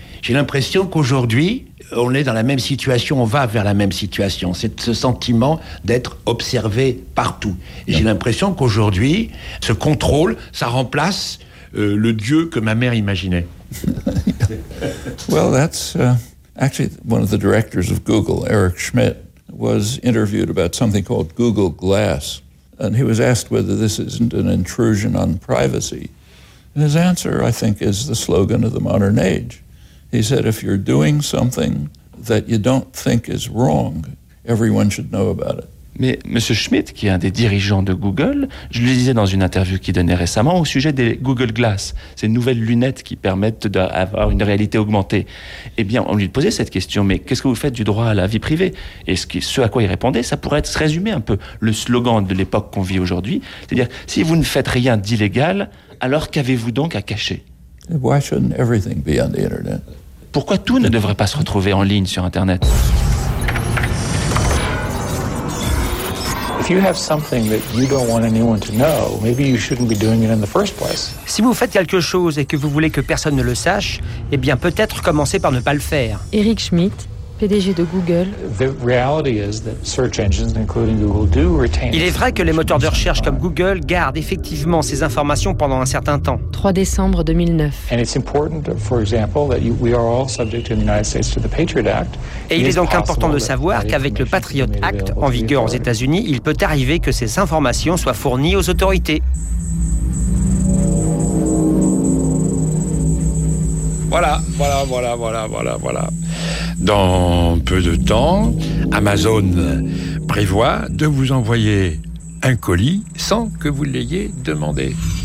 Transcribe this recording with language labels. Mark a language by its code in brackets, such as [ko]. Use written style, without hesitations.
[fr] J'ai l'impression qu'aujourd'hui, on est dans la même situation, on va vers la même situation. C'est ce sentiment d'être observé partout. Et j'ai l'impression qu'aujourd'hui, ce contrôle, ça remplace le Dieu que ma mère imaginait. [en] Well, that's actually one of the directors of Google, Eric Schmidt, was interviewed about something called Google Glass. And he was asked whether this isn't an intrusion on privacy. And his answer, I think, is the slogan of the modern age. He said, if you're doing something that you don't think is wrong, everyone should know about it. [fr] Mais M. Schmidt, qui est un des dirigeants de Google, je lui disais dans une interview qu'il donnait récemment au sujet des Google Glass, ces nouvelles lunettes qui permettent d'avoir une réalité augmentée. Eh bien, on lui posait cette question, mais qu'est-ce que vous faites du droit à la vie privée? Et ce à quoi il répondait, ça pourrait être résumé un peu le slogan de l'époque qu'on vit aujourd'hui. C'est-à-dire, si vous ne faites rien d'illégal, alors qu'avez-vous donc à cacher? [en] Why shouldn't everything be on the internet? [fr] Pourquoi tout ne devrait pas se retrouver en ligne sur Internet? [en] If you have something that you don't want anyone to know, maybe you shouldn't be doing it in the first place. [fr] Si vous faites quelque chose et que vous voulez que personne ne le sache, eh bien peut-être commencez par ne pas le faire. Eric Schmidt, PDG de Google. [en] The reality is that search engines, including Google, do retain. [fr] Il est vrai que les moteurs de recherche comme Google gardent effectivement ces informations pendant un certain temps. 3 décembre 2009. [en] And it's important, for example, that we are all subject in the United States to the Patriot Act. [fr] Et il est donc important de savoir qu'avec le Patriot Act en vigueur aux États-Unis, il peut arriver que ces informations soient fournies aux autorités. Voilà. Dans peu de temps, Amazon prévoit de vous envoyer un colis sans que vous l'ayez demandé.